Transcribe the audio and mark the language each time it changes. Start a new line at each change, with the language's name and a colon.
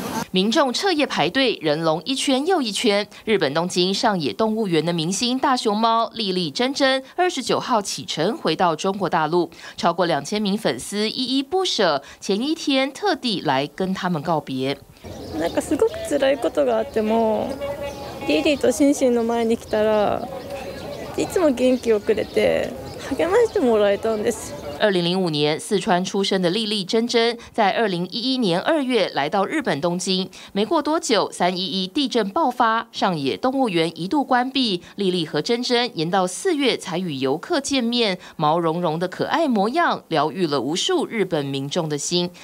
Chinese: 民众彻夜排队，人龙一圈又一圈。日本东京上野动物园的明星大熊猫莉莉珍珍29号启程回到中国大陆，超过2000名粉丝依依不舍，前一天特地来跟他们告别。
Japanese: なんかすごく辛いことがあっても、莉莉とシンシンの前に来たら、いつも元気をくれて励ましてもらえたんです。
Chinese: 2005年四川出生的莉莉珍珍在2011年2月来到日本东京，没过多久311地震爆发，上野动物园一度关闭，莉莉和珍珍延到4月才与游客见面，毛茸茸的可爱模样疗愈了无数日本民众的心。